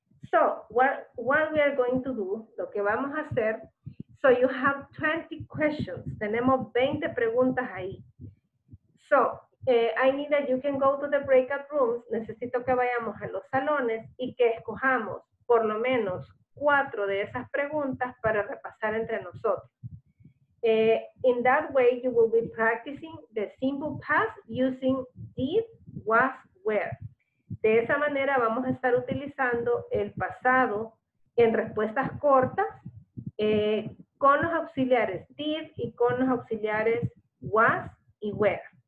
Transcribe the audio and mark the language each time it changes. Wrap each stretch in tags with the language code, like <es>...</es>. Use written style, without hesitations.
<en>So, what we are going to do,</en> <es>lo que vamos a hacer,</es> <en>so you have 20 questions.</en> <es>Tenemos 20 preguntas ahí.</es> <en>So, I need that you can go to the breakout rooms.</en> <es>Necesito que vayamos a los salones y que escojamos por lo menos 4 de esas preguntas para repasar entre nosotros.</es> <en>In that way, you will be practicing the simple past using did, was, were.</en> <es>De esa manera vamos a estar utilizando el pasado en respuestas cortas con los auxiliares did y con los auxiliares was y were.</es>